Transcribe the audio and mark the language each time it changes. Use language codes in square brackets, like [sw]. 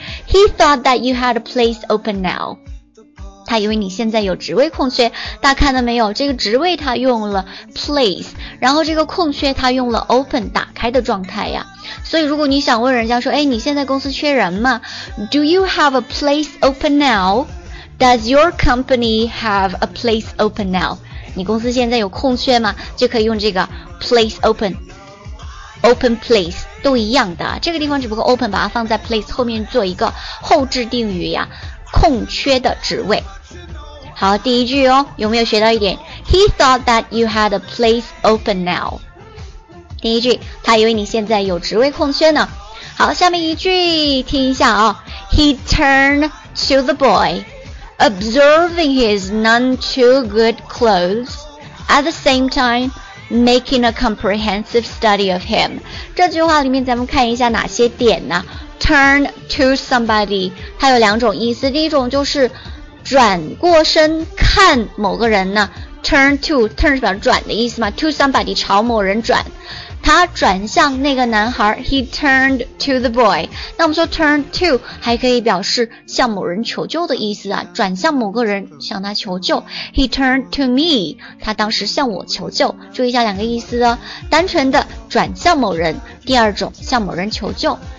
[en] he thought that you had a place open now, [zh] 他以为你现在有职位空缺，大家看到没有，这个职位他用了 place, 然后这个空缺他用了 open, 打开的状态呀。所以如果你想问人家说，哎，你现在公司缺人吗？ [en] Do you have a place open now? Does your company have a place open now? [zh] 你公司现在有空缺吗？就可以用这个 [en] place open, open place, [zh] 都一样的，这个地方只不过 open 把它放在 place 后面做一个后置定语呀，空缺的职位。好，第一句哦，有没有学到一点？ [en] He thought that you had a place open now. [zh] 第一句，他以为你现在有职位空缺呢。好，下面一句听一下哦。 [en] He turned to the boy, observing his none too good clothes, at the same time making a comprehensive study of him. [zh] 这句话里面咱们看一下哪些点呢？ Turn to somebody, 它有两种意思，第一种就是转过身看某个人呢， turn 是表示转的意思嘛， to somebody 朝某人转，他转向那个男孩， [en] he turned to the boy, [zh] 那我们说 turn to 还可以表示向某人求救的意思啊，转向某个人向他求救， [en] he turned to me, [zh] 他当时向我求救，注意一下两个意思哦，单纯的转向某人，第二种向某人求救。